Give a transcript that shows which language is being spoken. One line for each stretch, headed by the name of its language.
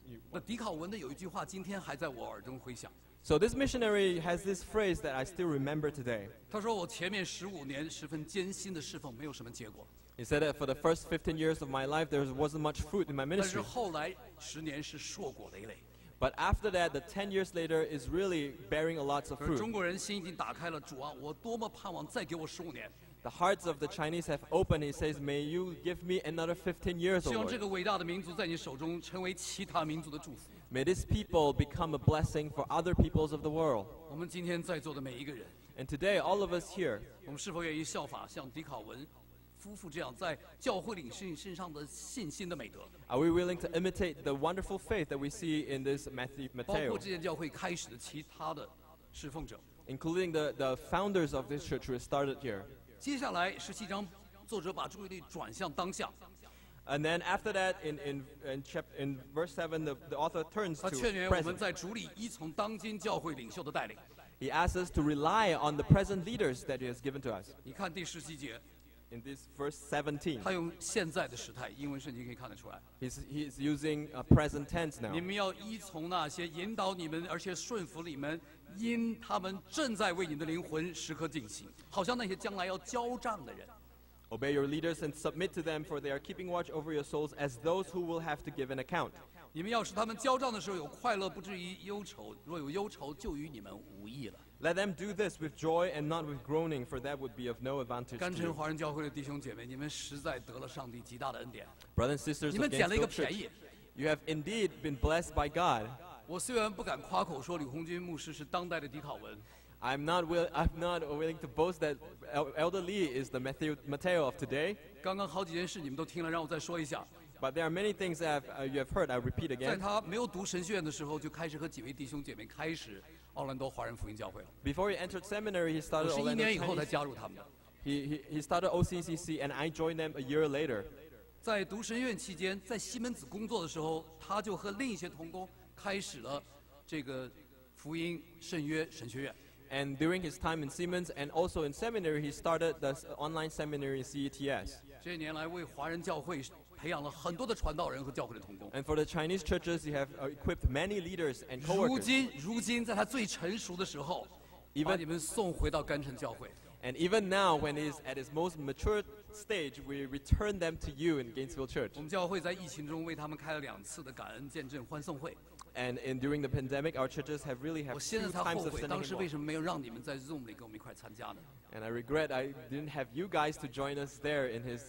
Chinese: 那迪考文的有一句话，今天还在我耳中回响。
English: So this missionary has this phrase that I still remember today.
Chinese: 他说我前面十五年十分艰辛的侍奉没有什么结果。
English: He said that for the first 15 years of my life, there wasn't much fruit in my ministry.
Chinese: 但是后来十年是硕果累累。
English: But after that, the 10 years later is really bearing a lot of fruit.
Chinese: 中国人心已经打开了，主啊，我多么盼望再给我十五年。
English: The hearts of the Chinese have opened. He says, "May you give me another 15 years."
Chinese: 希望这个伟大的民族在你手中成为其他民族的祝福。
English: May this people become a blessing for other peoples of the world.
Chinese: 我们今天在座的每一个人。
English: And today, all of us here.
Chinese: 我们是否愿意效法像迪考文？夫妇这样在教会领袖身上的信心的美德。
English: Are we willing to imitate the wonderful faith that we see in this Matthew?
Chinese: 包括这些教会开始的其他的侍奉者。
English: Including the founders of this church who started here.
Chinese: 接下来十七章，作者把注意力转向当下。
English: And then after that, in verse 7, the author turns to present.
Chinese: 他劝勉我们在主里依从当今教会领袖的带领。
English: He asks us to rely on the present leaders that he has given to us.
Chinese: 你看第十七节。
English: In this verse 17,
Chinese: 他用现在的时态，英文圣经可以看得出来。
English: He's using a present tense now.
Chinese: 你们要依从那些引导你们，而且顺服你们，因他们正在为你的灵魂时刻警醒，好像那些将来要交账的人。
English: Obey your leaders and submit to them, for they are keeping watch over your souls as those who will have to give an account.
Chinese: 你们要使他们交账的时候有快乐，不至于忧愁。若有忧愁，就与你们无益了。
English: Let them do this with joy and not with groaning, for that would be of no advantage.
Chinese: 甘城华人教会的弟兄姐妹，你们实在得了上帝极大的恩典。
English: Brothers and sisters,
Chinese: 你们捡了一个便宜。
English: You have indeed been blessed by God.
Chinese: 我虽然不敢夸口说李红军牧师是当代的迪考文。
English: I'm not willing to boast that Elder Lee is the Matthew of today.
Chinese: 刚刚好几件事你们都听了，让我再说一下。
English: But there are many things that you have heard. I repeat again.
Chinese: 在他没有读神学院的时候，就开始和几位弟兄姐妹开始。奥兰多华人福音教会了。
English: Before he entered seminary, he started.
Chinese: 我是一年以后才加入他们的。
English: He started OCCC, and I joined them a year later.
Chinese: 在读神学院期间，在西门子工作的时候，他就和另一些同工开始了这个福音圣约神学院。
English: And during his time in Siemens and also in seminary, he started the online seminary in CETS.
Chinese: 这些年来为华人教会培养了很多的传道人和教会的同工。
English: And for the Chinese churches, he have equipped many leaders and co-workers.
Chinese: 如今在他最成熟的时候，把你们送回到甘城教会。
English: And even now, when he is at his most mature stage, we return them to you in Gainesville Church.
Chinese: 我们教会在疫情中为他们开了两次的感恩见证欢送会。
English: And in, during the pandemic, our churches have really had times of sending more. And I regret I didn't have you guys to join us there in his